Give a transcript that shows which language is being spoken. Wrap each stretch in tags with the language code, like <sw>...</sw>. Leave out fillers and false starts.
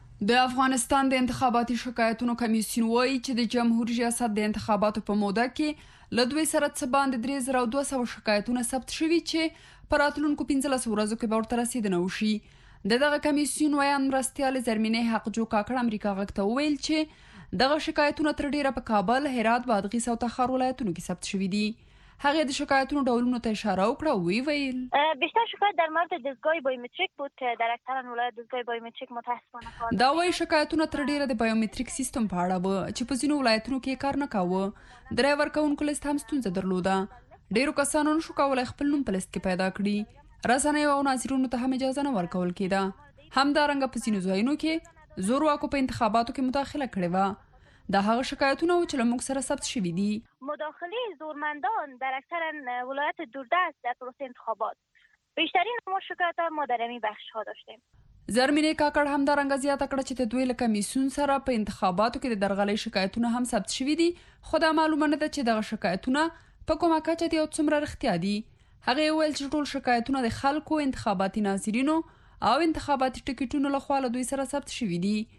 <ps>د افغانستان د انتخاباتي شکایتونو کمیسیون وایي چې د جمهور ریاست د انتخاباتو په موده کې له 2300 باندې 3200 شکایتونه ثبت شوي چې په راتلونکو 15 ورځو کې به ورته رسیدنه وشي. د دغه کمیسیون ویان مرستیال زرمینې حقجو کاکړ امریکا غږ ته وویل چې دغه شکایتونه تر ډیره په کابل، هرات، بادغیس او تخار ولایتونو کې ثبت شوي دي. هغه د شکایتونو ډولونو ته اشاره وکړه او وی ویل</ps> <fa>بیشتر شکایت در مورد دستگاه بایومتریک بود که در اکثر ولایت دستگاه بایومتریک متاسفانه</fa> <ps>خواهد دا. وی شکایتونه تر ډیره د بایومتریک سیستم په اړه و چې په ځینو ولایتونو کې کار نه کاوه. درایور کوونکو لست هم ستونزه درلوده. ډیرو کسانو نشو کولای خپل نوم په لست کې پیدا کړي. رسنیو او ناظرونو ته هم اجازه نه ورکول کېده. همدارنګ په ځینو ځایونو کې زورواکو په انتخاباتو کې مداخله کړې وه. دا هغه شکایتونه و چې له موږ سره ثبت شوي دي.</ps> <fa>مداخله زورمندان در اکثر ولایت دوردست در پروسه انتخابات بیشترین ما شکایت ما در این بخش ها داشتیم.</fa> <ps>زرمینه کاکړ همدارنګ زیاته کړه چې د دوی له کمیسون سره په انتخاباتو کې د درغلی شکایتونه هم ثبت شوي دي خو دا معلومه نه ده چې دغه شکایتونه په کومه کچه دي او څومره رښتیا دي. هغې وویل چې ټول شکایتونه د خلکو، انتخاباتي ناظرینو او انتخاباتي ټکټونو لخوا له دوی سره ثبت شوي دي.</ps>